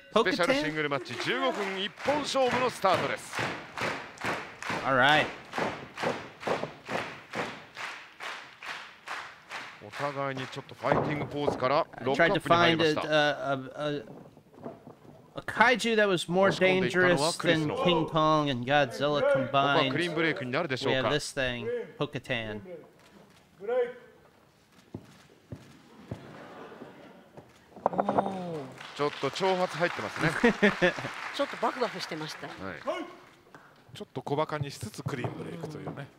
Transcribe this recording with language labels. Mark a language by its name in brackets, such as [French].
[Japanese] スペシャルシングルマッチ15分1本勝負のスタートです。 [English] All right. [Japanese] お互いにちょっとファイティングポーズからロックアップに入りました。 [English] A kaiju that was more dangerous than King Kong and Godzilla combined. [Japanese] クリーンブレイクになるでしょうか。 [English] We have this thing, Pokotan. [Japanese] ちょっと挑発入ってますね。ちょっとバフバフしてました、はい。ちょっと小バカにしつつクリーンブレイクというね。